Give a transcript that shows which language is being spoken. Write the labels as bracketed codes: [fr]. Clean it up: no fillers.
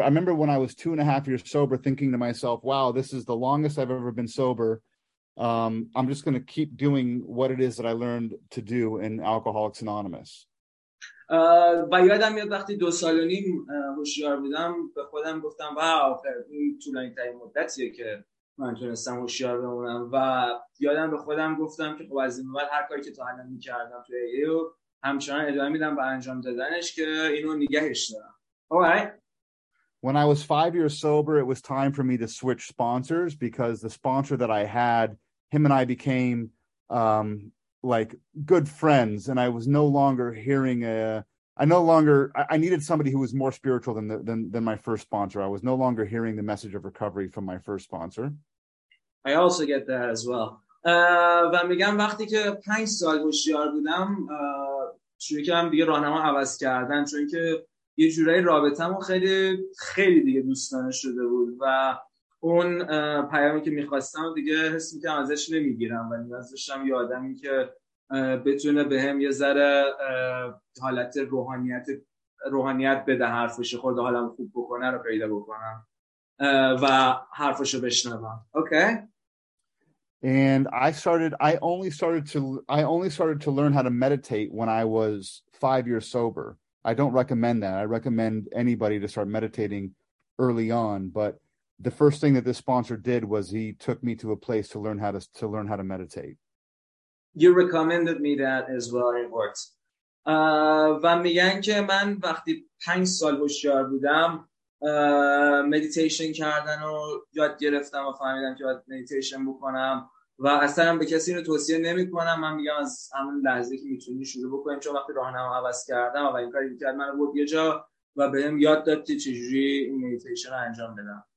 [en] I remember when I was 2.5 years sober thinking to myself, wow, this is the longest I've ever been sober. I'm just going to keep doing what it is that I learned to do in Alcoholics Anonymous. [fa] و یادم میاد وقتی 2 سال و نیم هوشیار بودم به خودم گفتم واو این طولانی ترین مدتیه که من تونستم هوشیار بمونم و یادم به خودم گفتم که خب از این بعد هر کاری که تا حالا می‌کردم توی ای رو همچنان ادامه میدم و انجام دادنش که اینو نگهش دارم. [en] Alright. When I was 5 years sober, it was time for me to switch sponsors because the sponsor that I had, him and I became like good friends, and I was no longer hearing I needed somebody who was more spiritual than my first sponsor. I was no longer hearing the message of recovery from my first sponsor. I also get that as well. [fa] و میگم وقتی که 5 سال هوشیار بودم شروع کردم دیگه راهنما عوض کردن چون که یه جورایی رابطه‌مون خیلی خیلی دیگه دوستانه شده بود و اون پیامی که می‌خواستم دیگه حس می‌کردم ازش نمی‌گیرم و نیاز داشتم یه آدمی که بتونه به هم یه ذره حالت روحانیت بده حرفش خود حالم خوب بکنه رو پیدا بکنم و حرفش رو بشنوم. [en] Okay. And I only started to learn how to meditate when I was 5 years sober. I don't recommend that. I recommend anybody to start meditating early on. But the first thing that this sponsor did was he took me to a place to learn how to meditate. You recommended me that as well. It works. [fa] و میگن که من وقتی 5 سال هوشیار بودم مدیتیشن کردن و یاد گرفتم و فهمیدم که باید مدیتیشن بکنم و اصلا به کسی رو توصیه نمی کنم. من میگم از همون لحظه که میتونی شروع بکنیم چون وقتی راهنما عوض کردم و این کاری میکرد من رو برد یه جا و بهم یاد داد که چجوری مدیتیشن رو انجام بدم.